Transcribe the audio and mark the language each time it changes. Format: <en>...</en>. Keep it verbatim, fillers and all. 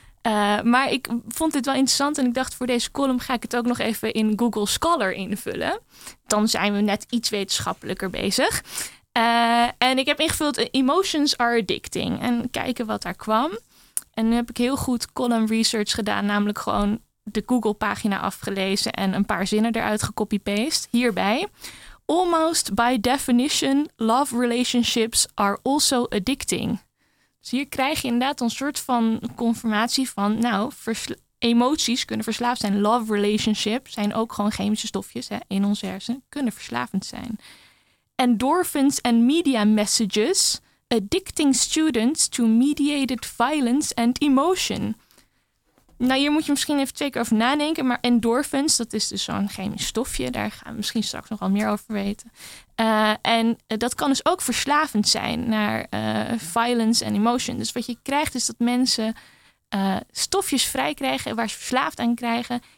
<nl>Uh, maar ik vond dit wel interessant en ik dacht, voor deze column ga ik het ook nog even in Google Scholar invullen. Dan zijn we net iets wetenschappelijker bezig. Uh, en ik heb ingevuld, uh,</nl> <en>emotions are addicting.</en> <nl>En kijken wat daar kwam. En nu heb ik heel goed column research gedaan, namelijk gewoon de Google pagina afgelezen en een paar zinnen eruit gecopy-paste. Hierbij,</nl> <en>almost by definition, love relationships are also addicting.</en> <nl>Dus hier krijg je inderdaad een soort van confirmatie van, nou, versla- emoties kunnen verslaafd zijn.</nl> <en>Love relationships</en> <nl>zijn ook gewoon chemische stofjes hè, in onze hersenen, kunnen verslavend zijn.</nl> <en>Endorphins and media messages, addicting students to mediated violence and emotion.</en> <nl>Nou, hier moet je misschien even twee keer over nadenken. Maar endorphins, dat is dus zo'n chemisch stofje. Daar gaan we misschien straks nog wel meer over weten. Uh, en dat kan dus ook verslavend zijn naar uh, violence en emotion. Dus wat je krijgt is dat mensen uh, stofjes vrij krijgen waar ze verslaafd aan krijgen.</nl>